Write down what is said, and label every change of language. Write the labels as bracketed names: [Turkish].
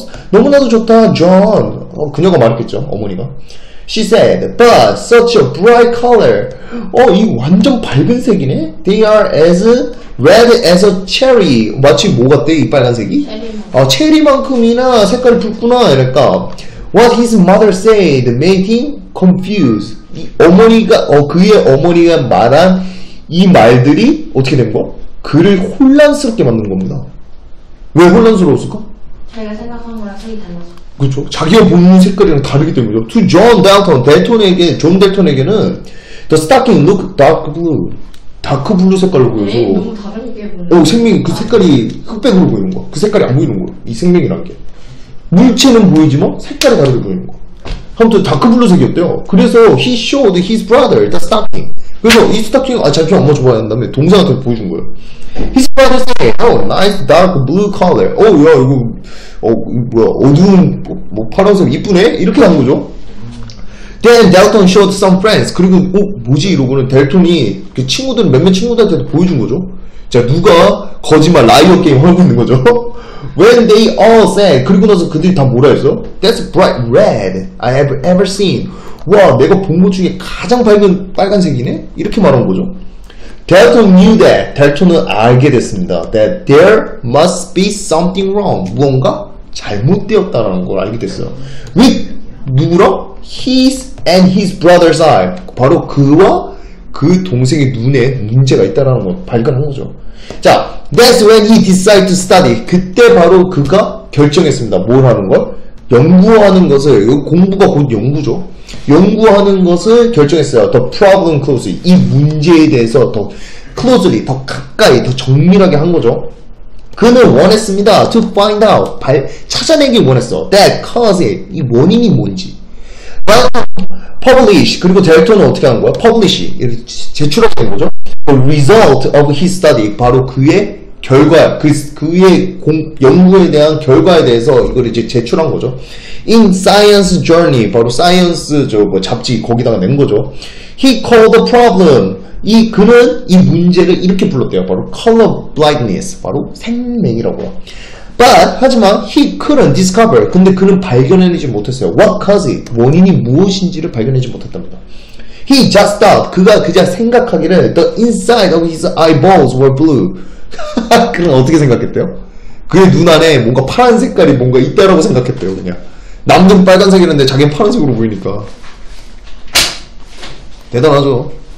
[Korean] 너무나도 좋다, John. 그녀가 말했겠죠, 어머니가. [English] She said, but such a bright color. [Korean] 이 완전 밝은 색이네? [English] They are as red as a cherry. [Korean] 마치 뭐 같대, 이 빨간색이? 체리만큼이나 색깔이 붉구나, 이랄까. [English] What his mother said made him confused. [Korean] 이 어머니가, 그의 어머니가 말한 이 말들이 어떻게 된 거야? 그를 혼란스럽게 만드는 겁니다. 왜 혼란스러웠을까? 자기가 생각한 거랑 색이 달라서. 그렇죠. 자기가 보는 색깔이랑 다르기 때문이죠. [English] To John Dalton, [Korean] 델톤에게, 존 델톤에게는 [English] The stocking looked dark blue. [Korean] 다크블루 색깔로 보여서. 너무 다르게 보이는 생명이 그 색깔이 흑백으로 보이는 거야. 그 색깔이 안 보이는 거야. 이 생명이란 게. 물체는 보이지만 색깔이 다르게 보이는 거야. 아무튼 다크블루 색이었대요. 그래서 [English] he showed his brother the stocking. [Korean] 그래서 이 스타킹, 자기 엄마 좋아하는 다음에 다음에 동생한테 보여준 거예요. [English] His brother said, oh, nice dark blue color. [Korean] 어두운, 파란색 이쁘네? 이렇게 한 거죠. [English] Then Dalton showed some friends. [Korean] 그리고, 뭐지? 이러고는 델톤이 그 친구들, 몇몇 친구들한테 보여준 거죠. 자, 누가 거짓말 라이어 게임 하고 있는 거죠. [English] When they all said, [Korean] 그리고 나서 그들이 다 뭐라 했어? [English] That's bright red I have ever seen. [Korean] 와, 내가 본 것 중에 가장 밝은 빨간색이네? 이렇게 말한 거죠. [English] Dalton knew that. [Korean] 델톤은 알게 됐습니다. [English] That there must be something wrong. [Korean] 무언가 잘못되었다라는 걸 알게 됐어요. With 누구랑? [English] His and his brother's eye. [Korean] 바로 그와 그 동생의 눈에 문제가 있다라는 걸 발견한 거죠. [English] 자, that's when he decided to study. [Korean] 그때 바로 그가 결정했습니다. 뭘 하는 걸? 연구하는 것을, 공부가 곧 연구죠. 연구하는 것을 결정했어요. [English] The problem closely. [Korean] 이 문제에 대해서 더 closely, 더 가까이, 더 정밀하게 한 거죠. 그는 원했습니다. [English] To find out. [Korean] 찾아내기 원했어. [English] That cause it. [Korean] 이 원인이 뭔지. [English] But publish. [Korean] 그리고 델톤은 어떻게 한 거야? [English] Publish. [Korean] 제출하게 된 거죠. [English] The result of his study. [Korean] 바로 그의 결과, 그의 연구에 대한 결과에 대해서 이걸 이제 제출한 거죠. [English] In Science Journal, [Korean] 바로 사이언스 잡지 거기다가 낸 거죠. [English] He called the problem. [Korean] 그는 이 문제를 이렇게 불렀대요. 바로 [English] color blindness, [Korean] 바로 생맹이라고요. [English] But [Korean] 하지만 [English] he couldn't discover. [Korean] 근데 그는 발견해내지 못했어요. [English] What caused it? [Korean] 원인이 무엇인지를 발견하지 못했답니다. [English] He just thought. [Korean] 그가 그저 생각하기를 [English] the inside of his eyeballs were blue. [Korean] 그는 어떻게 생각했대요? 그의 눈 안에 뭔가 파란 색깔이 뭔가 있다라고 생각했대요. 그냥 남들은 빨간색이었는데 자기는 파란색으로 보이니까 대단하죠.